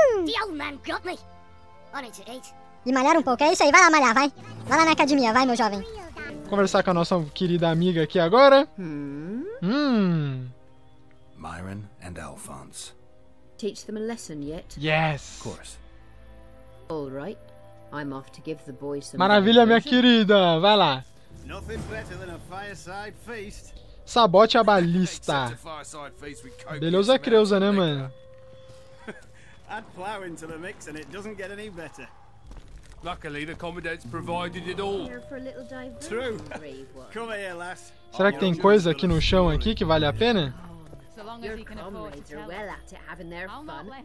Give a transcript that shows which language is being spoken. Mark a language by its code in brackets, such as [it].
[en] The old man got me! I need to eat. [pt] E malhar um pouco, é isso aí, vai lá malhar, vai. Vai lá na academia, vai, meu jovem. Conversar com a nossa querida amiga aqui agora. [en] Myron and Alphonse. Teach them a lesson yet? Yes! Of course. All right. I'm off to give the boys some. [pt] Maravilha, minha querida! Vai lá! [en] Nothing better than a fireside feast. [pt] Sabote a balista. Beleza, Creuza, né, mano? [en] Add plow into the mix and it doesn't get any better. Luckily, the commandant's provided it all. True. Come here, lass. [pt] Será que tem coisa aqui no chão aqui que vale a pena? [en] Your comrades are well at it, having their fun.